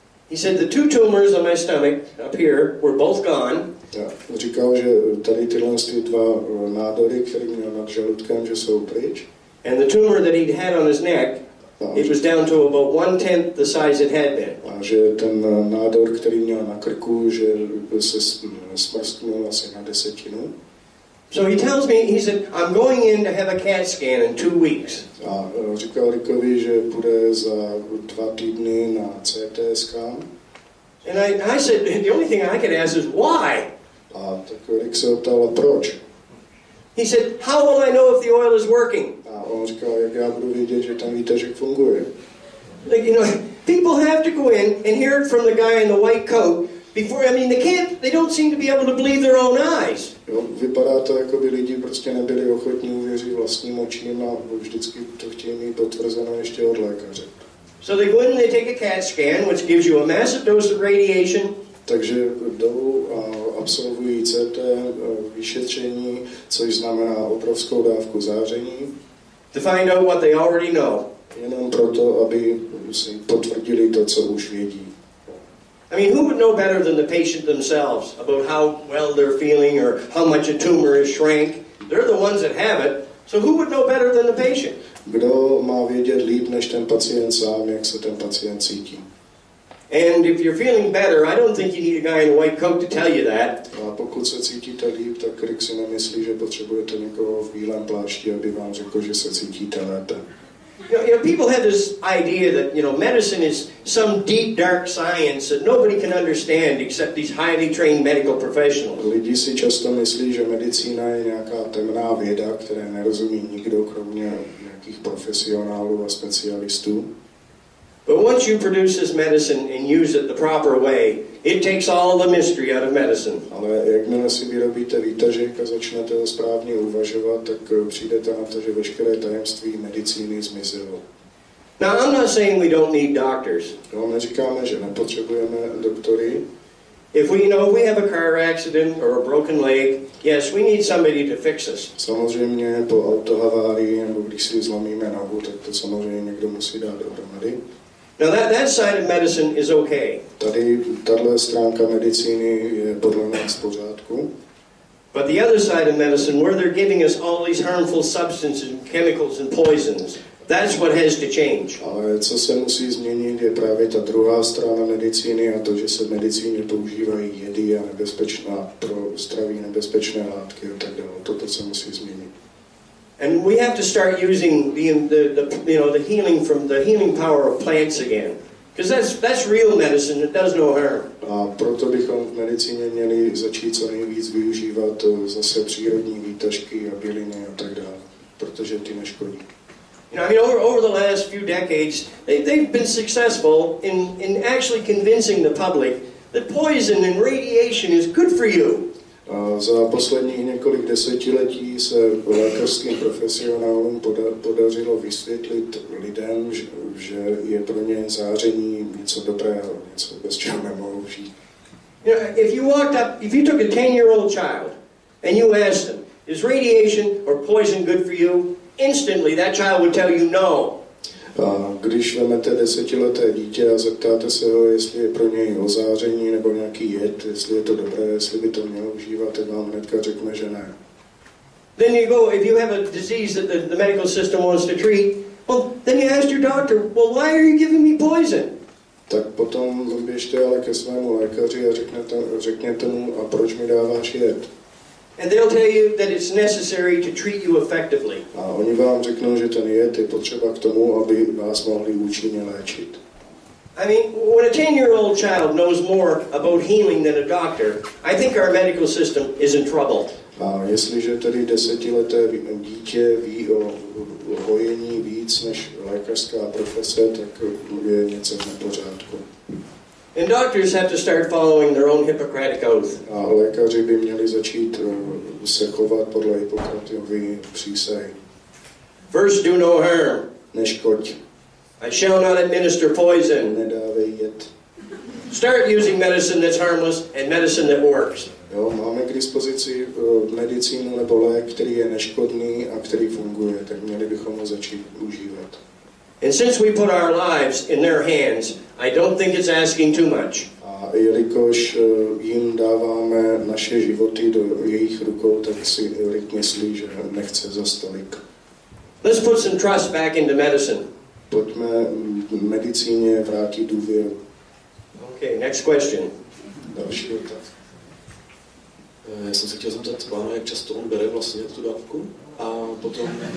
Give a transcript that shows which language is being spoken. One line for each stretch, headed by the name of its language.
English: He said the two tumors on my stomach up here were both gone.
Czech: Říkal, že tady tyhle dva nádory, které měl nad žaludkem, že jsou pryč.
English: And the tumor that he'd had on his neck, it was down to about 1/10 the size it had been.
Czech: A že ten nádor, který měl na krku, že se smrstnul asi na desetinu.
English: So he tells me, he said, I'm going in to have a CAT scan in 2 weeks.
Czech: A říkal Rickovi, že bude za 2 týdny na CT scan.
English: And I said, the only thing I could ask is, why?
Czech: A tak Rick se optal, proč?
English: He said, how will I know if the oil is working?
Czech: A on říkal, jak já budu vidět, že ten výtažek funguje.
English: Like, you know, people have to go in and hear it from the guy in the white coat. Before, I mean, they don't seem to be able to believe their own eyes.
Czech: Jo, vypadá to, jako by lidi prostě nebyli ochotní uvěřit vlastním očím a vždycky to chtějí mít potvrzeno ještě od lékaře.
English: So they go in and they take a CAT scan, which gives you a massive dose of radiation.
Czech: Takže jdou a absolvují CT vyšetření, což znamená obrovskou dávku záření.
English: To find out what they already know.
Czech: Jenom proto, aby si potvrdili to, co už vědí.
English: I mean, who would know better than the patient themselves about how well they're feeling or how much a tumor has shrank? They're the ones that have it. So who would know better than the patient?
Czech: Kdo má vědět líp než ten pacient sám, jak se ten pacient cítí?
English: And if you're feeling better, I don't think you need a guy in a white coat to tell you that.
Czech: A pokud se cítíte líp, tak Rick si nemyslí, že potřebujete někoho v bílém plášti, aby vám řekl, že se cítíte lépe.
English: You know, people have this idea that, you know, medicine is some deep, dark science that nobody can understand except these highly trained medical professionals.
Czech: Lidi si často myslí, že medicína je nějaká temná věda, které nerozumí nikdo, kromě nějakých profesionálů a specialistů.
English: But once you produce this medicine and use it the proper way, it takes all the mystery out of medicine.
Czech: Ale jakmile si vyrobíte výtažek a začnete ho správně uvažovat, tak přijdete na to, že veškeré tajemství medicíny zmizelo.
English: Now I'm not saying we don't need doctors.
Czech: No, neříkáme, že nepotřebujeme doktory.
English: If we know we have a car accident or a broken leg, yes, we need somebody to fix us.
Czech: Samozřejmě po autohavárii nebo když si zlomíme nohu, tak to samozřejmě někdo musí dát dohromady.
English: Now that side of medicine is okay.
Czech: Tady tahle stránka medicíny je podle nás v pořádku.
English: But the other side of medicine, where they're giving us all these harmful substances and chemicals and poisons, that's what has to change.
Czech: Ale co se musí změnit, je právě ta druhá strana medicíny a to, že se v medicíně používají jedy a nebezpečná pro zdraví nebezpečné látky a tak dále. Toto se musí změnit.
English: And we have to start using the healing from the healing power of plants again, because that's real medicine. It does no harm.
Czech: A proto bychom v medicíně měli začít co nejvíc využívat zase přírodní výtažky a byliny a tak dále, protože ty neškodí.
English: You know, I mean, over the last few decades, they've been successful in actually convincing the public that poison and radiation is good for you.
Czech: Za posledních několik desetiletí se lékařským profesionálům podařilo vysvětlit lidem, že je pro ně záření něco dobrého, něco bez čeho nemohou žít.
English: You know, if you walked up, if you took a 10-year-old child and you asked them, is radiation or poison good for you? Instantly that child would tell you no.
Czech: Když vezmete 10leté dítě a zeptáte se ho, jestli je pro něj ozáření nebo nějaký jed, jestli je to dobré, jestli by to mělo užívat, vám hnedka řekne, že ne.
English: Then you go, if you have a disease that the medical system wants to treat, well, then you ask your doctor, well, why are you giving me poison?
Czech: Tak potom běžte ale ke svému lékaři a řekněte mu, a proč mi dáváš jed?
English: And they'll tell you that it's necessary to treat you effectively.
Czech: A oni vám řeknou, že ten jed je potřeba k tomu, aby vás mohli účinně léčit.
English: I mean, when a 10-year-old child knows more about healing than a doctor, I think our medical system is in trouble.
Czech: A jestliže tedy desetileté dítě ví o hojení víc než lékařská profese, tak je něco na pořádku.
English: And doctors have to start following their own Hippocratic oath.
Czech: A lékaři by měli začít se chovat podle Hippokratovy přísahy.
English: First, do no harm.
Czech: Neškoď.
English: I shall not administer poison.
Czech: Nedávej jed.
English: Start using medicine that's harmless and medicine that works.
Czech: Jo, máme k dispozici medicínu nebo lék, který je neškodný a který funguje, tak měli bychom ho začít užívat.
English: And since we put our lives in their hands, I don't think it's asking too much.
Czech: A jelikož jim dáváme naše životy do jejich rukou, tak si Erik myslí, že nechce za stolik.
English: Let's put some trust back into medicine.
Czech: Pojďme medicíně vrátit důvěru.
English: Okay, next question.
Czech: Další otázka. Já jsem se chtěl zeptat pána, jak často on bere vlastně tu dávku a potom...